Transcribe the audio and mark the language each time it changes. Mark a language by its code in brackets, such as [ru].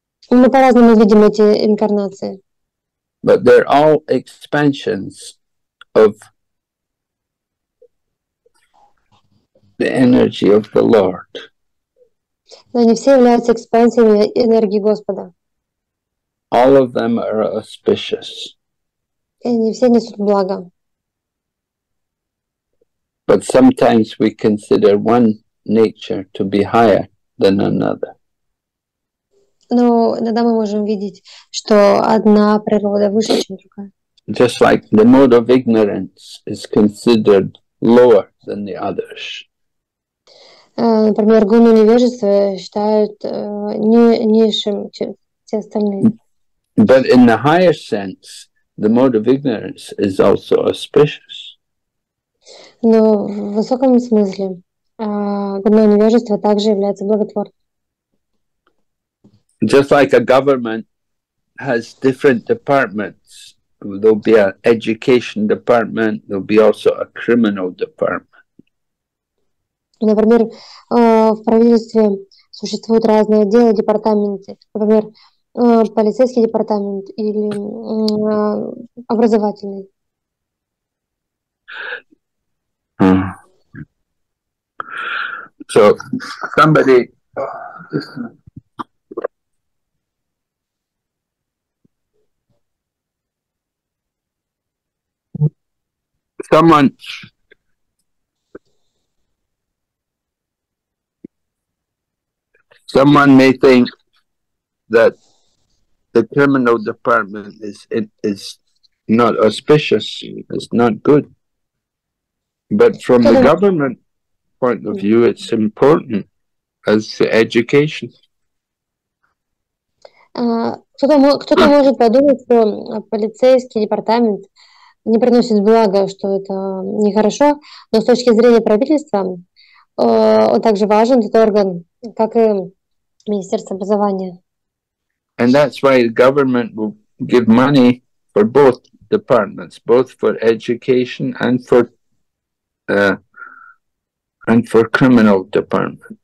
[ru] Мы по-разному видим эти инкарнации. [en] But they're all expansions of the energy of the Lord. [ru] Но они все являются экспансиями энергии Господа. [en] All of them are auspicious. [ru] И они все несут благо. [en] But sometimes we consider one nature to be higher than another. [ru] Но иногда мы можем видеть, что одна природа выше, чем другая. [en] Just like the mode of ignorance is considered lower than the others. [ru] Например, гуну невежества считают низшим, чем все остальные. [en] But in the higher sense, the mode of ignorance is also auspicious. [ru] Но в высоком смысле одно невежество также является благотворным. [en] Just like a government has different departments, there'll be an education department, there'll be also a criminal department. [ru] Например, в правительстве существуют разные отделы, департаменты. Например, полицейский департамент или образовательный. [en] So somebody someone someone may think that the criminal department is not auspicious, it's not good. But from the government point of view, it's important as the education. [ru] Кто-то может подумать, что полицейский департамент не приносит блага, что это нехорошо, но с точки зрения правительства он также важен, этот орган, как и Министерство образования. [en] And that's why the government will give money for both departments, both for education and for and for criminal department.